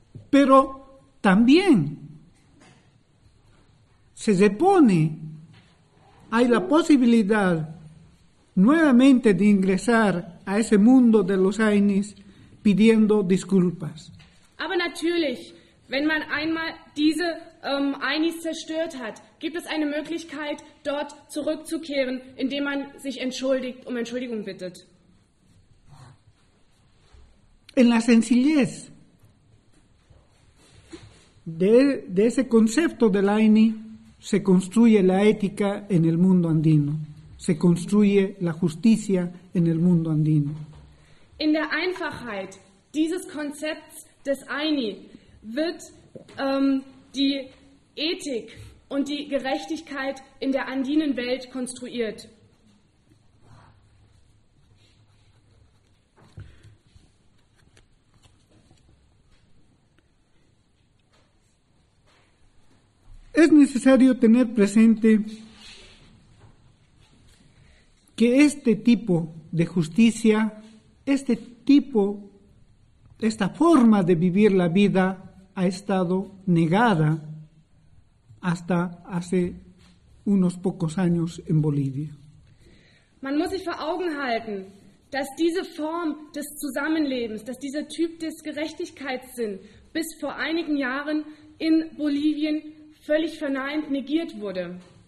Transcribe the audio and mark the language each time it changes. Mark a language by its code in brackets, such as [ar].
[es] Pero también se supone hay la posibilidad nuevamente de ingresar a ese mundo de los Ainis pidiendo disculpas. [de] Aber natürlich, wenn man einmal diese Ainis zerstört hat, gibt es eine Möglichkeit, dort zurückzukehren, indem man sich entschuldigt, um Entschuldigung bittet. [es] En la sencillez de ese concepto del Aini se construye la ética en el mundo andino, se construye la justicia en el mundo andino. [de] In der Einfachheit dieses Konzepts des Aini wird die Ethik und die Gerechtigkeit in der andinen Welt konstruiert. [es] Es necesario tener presente que este tipo de justicia, este tipo, esta forma de vivir la vida ha estado negada hasta hace unos pocos años en Bolivia. [de] Man muss sich vor Augen halten, dass diese Form des Zusammenlebens, dass dieser Typ des Gerechtigkeitssinns bis vor einigen Jahren in Bolivien völlig verneint negiert wurde.